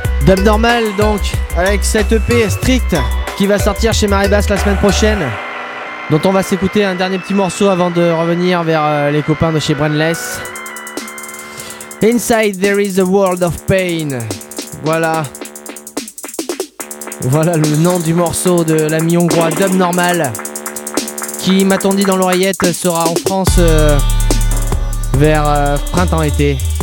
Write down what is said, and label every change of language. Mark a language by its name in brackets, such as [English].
[French] Abnormal donc, avec cette EP Strict qui va sortir chez Marée Basse la semaine prochaine, dont on va s'écouter un dernier petit morceau avant de revenir vers les copains de chez Brandless. [English] Inside there is a world of pain. [French] Voilà. Voilà le nom du morceau de l'ami hongrois Abnormal, qui m'a-t-on dit dans l'oreillette sera en France vers printemps-été.